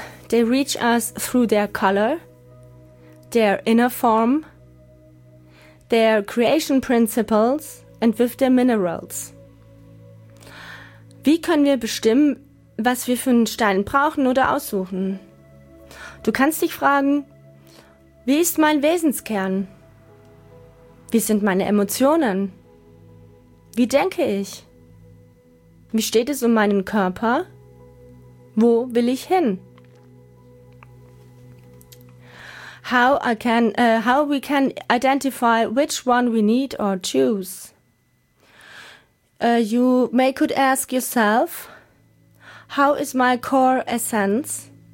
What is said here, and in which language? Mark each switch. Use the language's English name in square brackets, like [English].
[English] they reach us through their color, their inner form, their creation principles, and with their minerals. [German] Wie können wir bestimmen, was wir für einen Stein brauchen oder aussuchen? Du kannst dich fragen, wie ist mein Wesenskern? Wie sind meine Emotionen? Wie denke ich? Wie steht es um meinen Körper? Wo will ich hin? [English] How we can identify which one we need or choose? You may could ask yourself, how is my core essence?